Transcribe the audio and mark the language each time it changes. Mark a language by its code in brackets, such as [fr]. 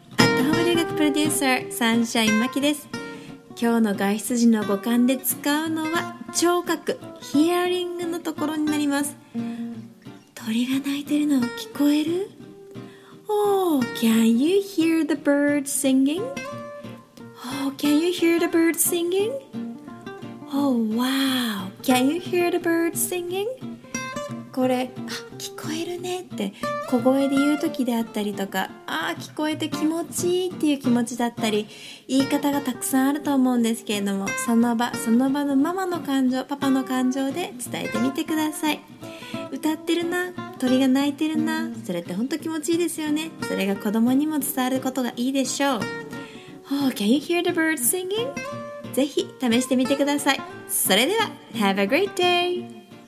[ja] アットホーム留学プロデューサーサンシャインマキです。今日の外出時の五感で使うのは聴覚、ヒアリングのところになります。鳥が鳴いてるの聞こえる？ [en] Oh, can you hear the bird singing? Oh, can you hear the bird singing? Oh, wow, can you hear the bird singing? [ja] これ、あ、聞こえるねって小声で言う時であったりとか、あ、聞こえて気持ちいいっていう気持ちだったり、言い方がたくさんあると思うんですけれども、その場その場のママの感情、パパの感情で伝えてみてください。歌ってるな、鳥が鳴いてるな、それって本当気持ちいいですよね。それが子供にも伝わることがいいでしょう。 [en] Oh, can you hear the birds singing? [ja] ぜひ試してみてください。それでは、 [en] Have a great day!